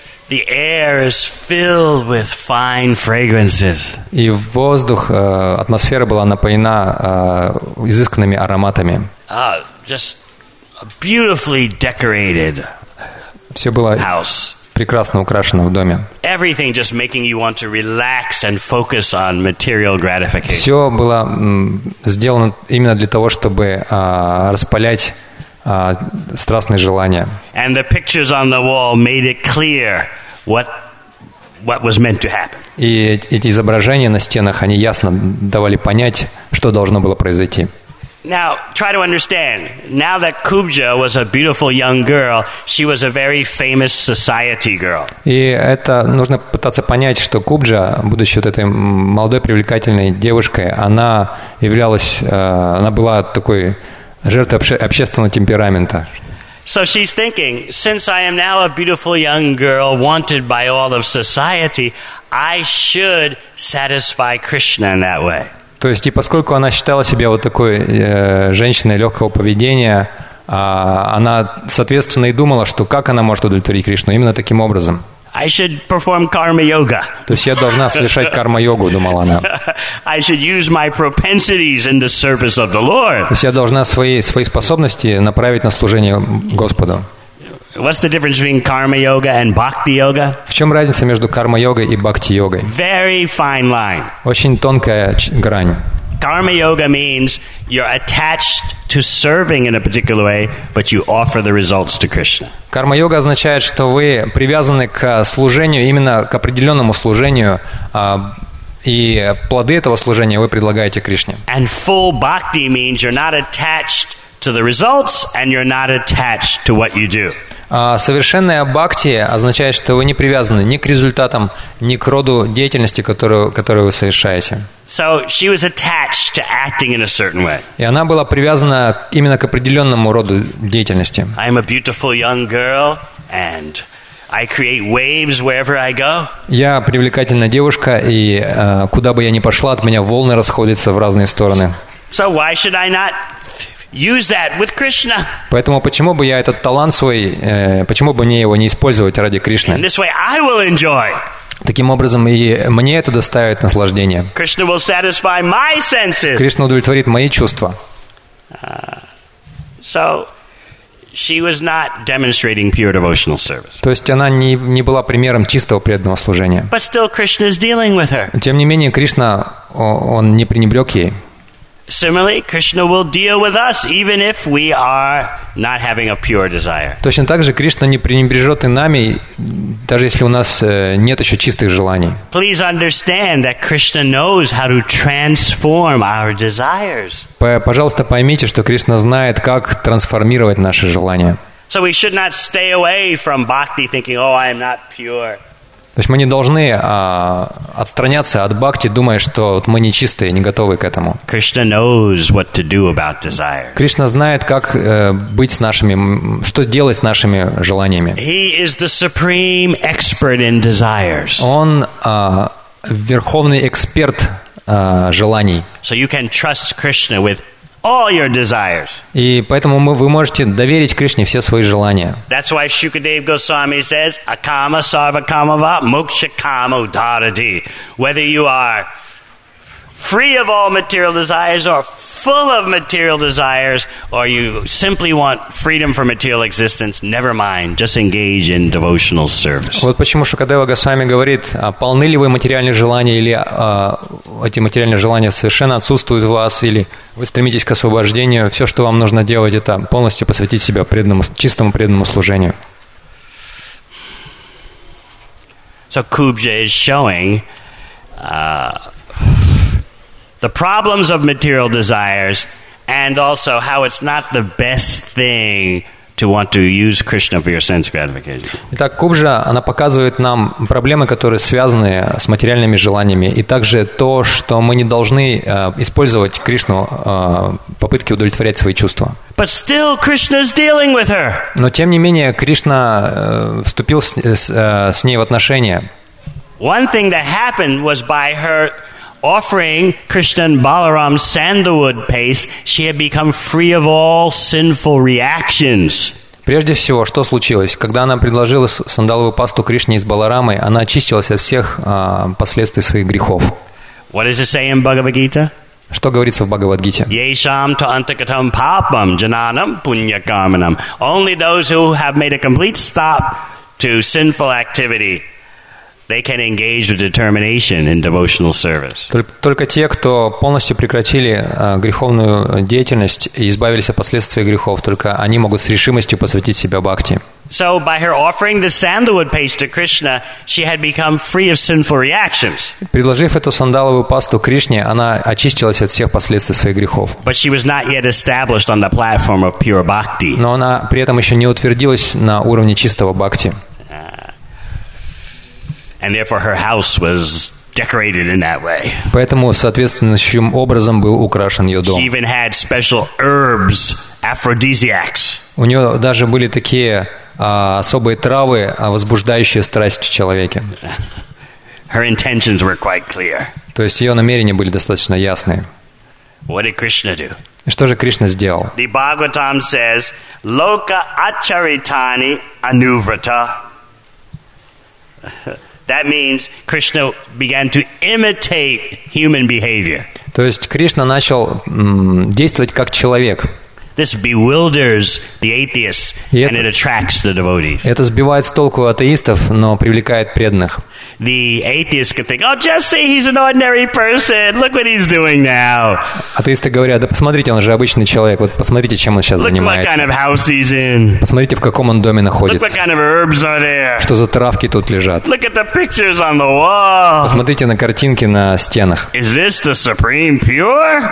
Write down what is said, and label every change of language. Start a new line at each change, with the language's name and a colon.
English: The air is filled with fine fragrances.
Russian: И воздух, атмосфера была напоена изысканными ароматами.
English: Just a beautifully decorated
Russian: Все было
English: house.
Russian: Прекрасно украшено в доме.
English: Everything just making you want to relax and focus on material gratification.
Russian: Все было сделано именно для того, чтобы распалять страстные желания.
English: And the pictures on the wall made it clear what was meant to happen.
Russian: И эти изображения на стенах, они ясно давали понять, что должно было произойти.
English: Now, try to understand. Now that Kubja was a beautiful young girl, she was a very famous society girl.
Russian: И это нужно пытаться понять, что Кубджа, будучи вот этой молодой привлекательной девушкой, она являлась, она была такой жертвой общественного темперамента.
English: So she's thinking, since I am now a beautiful young girl wanted by all of society, I should satisfy Krishna in that way.
Russian: То есть, и поскольку она считала себя вот такой женщиной легкого поведения, она, соответственно, и думала, что как она может удовлетворить Кришну именно таким образом.
English: I should perform karma yoga.
Russian: То есть я должна совершать карма-йогу, думала она.
English: I should use my propensities in the service of the Lord.
Russian: То есть я должна свои способности направить на служение Господу.
English: What's the difference between karma yoga and bhakti yoga?
Russian: В чем разница между карма йогой и бхакти йогой?
English: Very fine line.
Russian: Очень тонкая грань.
English: Karma yoga means you're attached to serving in a particular way, but you offer the results to Krishna.
Russian: Карма йога означает, что вы привязаны к служению именно к определенному служению. И плоды этого служения вы предлагаете Кришне.
English: And full bhakti means you're not attached to the results and you're not attached to what you do.
Russian: Совершенная бхакти означает, что вы не привязаны ни к результатам, ни к роду деятельности, которую вы совершаете.
English: So she was attached to acting in a certain way.
Russian: И она была привязана именно к определенному роду деятельности.
English: I'm a beautiful young girl and I create waves wherever I go.
Russian: Я привлекательная девушка, и куда бы я ни пошла, от меня волны расходятся в разные стороны.
English: So why should I not use that with Krishna?
Russian: Поэтому почему бы я этот талант свой, почему бы мне его не использовать ради Кришны?
English: In this way I will enjoy.
Russian: Таким образом, и мне это доставит наслаждение.
English: Krishna will satisfy my senses.
Russian: Кришна удовлетворит мои чувства.
English: So she was not demonstrating pure devotional service.
Russian: То есть она не была примером чистого преданного служения.
English: But still Krishna is dealing with her.
Russian: Тем не менее, Кришна, он не пренебрег ей.
English: Similarly, Krishna will deal with us even if we are not having a pure desire.
Russian: Точно так же Кришна не пренебрежет и нами, даже если у нас нет еще чистых желаний.
English: Please understand that Krishna knows how to transform our desires.
Russian: Пожалуйста, поймите, что Кришна знает, как трансформировать наши желания.
English: So we should not stay away from bhakti thinking, "Oh, I am not pure."
Russian: То есть мы не должны отстраняться от бхакти, думая, что вот мы не чистые, не готовы к этому.
English: Krishna knows what to do about desire.
Russian: Кришна знает, как быть с нашими, что делать с нашими желаниями.
English: He is the supreme expert in desires.
Russian: Он верховный эксперт желаний.
English: So you can trust Krishna with all your desires.
Russian: И поэтому вы можете доверить Кришне все свои желания.
English: That's why Shukadeva Goswami says,
Sanskrit: "Akama sarva kama va moksha kama udarati."
English: Whether you are free of all material desires or full of material desires, or you simply want freedom from material existence, never mind, just engage in devotional service.
Russian: Вот почему Шукадева Госвами говорит, полны ли вы материальных желаний, или эти материальные желания совершенно отсутствуют в вас, или вы стремитесь к освобождению, все, что вам нужно делать, это полностью посвятить себя преданному, чистому преданному служению.
English: So Kubja is showing the problems of material desires and also how it's not the best thing to want to use Krishna for your sense gratification.
Russian: Итак, Кубжа, она показывает нам проблемы, которые связаны с материальными желаниями, и также то, что мы не должны использовать Кришну в попытке удовлетворять свои чувства.
English: But still Krishna is dealing with her.
Russian: Но тем не менее, Кришна вступил с ней в отношения.
English: One thing that happened was by her offering Krishna and Balaram sandalwood paste, she had become free of all sinful reactions.
Russian: Прежде всего, что случилось, когда она предложила сандаловую пасту Кришне из Баларамы, она очистилась от всех последствий своих грехов.
English: What does it say in Bhagavad Gita?
Russian: Что говорится в Бхагавадгите?
Sanskrit: Yesham to antakatam papam jananam punyakamanam.
English: Only those who have made a complete stop to sinful activity, they can engage with determination in devotional service.
Russian: Только те, кто полностью прекратили греховную деятельность и избавились от последствий грехов, только они могут с решимостью посвятить себя бхакти.
English: So by her offering the sandalwood paste to Krishna, she had become free of sinful reactions.
Russian: Предложив эту сандаловую пасту Кришне, она очистилась от всех последствий своих грехов.
English: But she was not yet established on the platform of pure bhakti.
Russian: Но она при этом еще не утвердилась на уровне чистого бхакти.
English: And therefore her house was decorated in that way.
Russian: Поэтому соответствующим образом был украшен ее дом.
English: She even had special herbs, aphrodisiacs.
Russian: У нее даже были такие особые травы, возбуждающие страсть в человеке.
English: Her intentions were quite clear.
Russian: То есть ее намерения были достаточно ясные.
English: What did Krishna do?
Russian: Что же Кришна сделал?
English: The Bhagavatam says,
Sanskrit: "Loka acharitani anuvrata."
English: That means Krishna began to imitate human behavior.
Russian: То есть Кришна начал действовать как человек.
English: This bewilders the atheists and it attracts the devotees.
Russian: Это сбивает с толку атеистов, но привлекает преданных.
English: The atheists can think, "Oh, Jesse, he's an ordinary person. Look what he's doing now."
Russian: Атеисты говорят: "Да посмотрите, он же обычный человек. Вот посмотрите, чем он сейчас занимается.
English: Look what kind of house he's in.
Russian: Посмотрите, в каком он доме находится.
English: Look what kind of herbs are there.
Russian: Что за травки тут лежат?
English: Look at the pictures on the wall.
Russian: Посмотрите на картинки на стенах.
English: Is this the supreme pure?